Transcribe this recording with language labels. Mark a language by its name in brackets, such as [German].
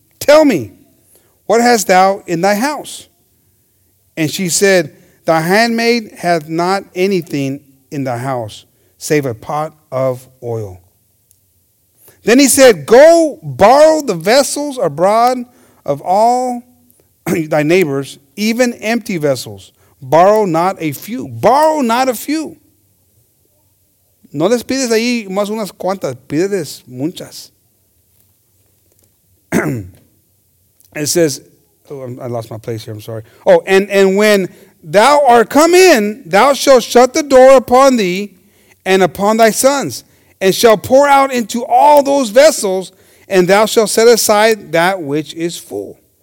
[English] Tell me, what hast thou in thy house? And she said, Thy handmaid hath not anything in thy house, save a pot of oil. Then he said, Go borrow the vessels abroad of all thy neighbors, even empty vessels. Borrow not a few." Borrow not a few. [Spanish] No les pides ahí más unas cuantas, pídeles muchas. [English] It says, I lost my place here, I'm sorry. Oh, and when thou art come in, thou shalt shut the door upon thee and upon thy sons, and shall pour out into all those vessels, and thou shalt set aside that which is full.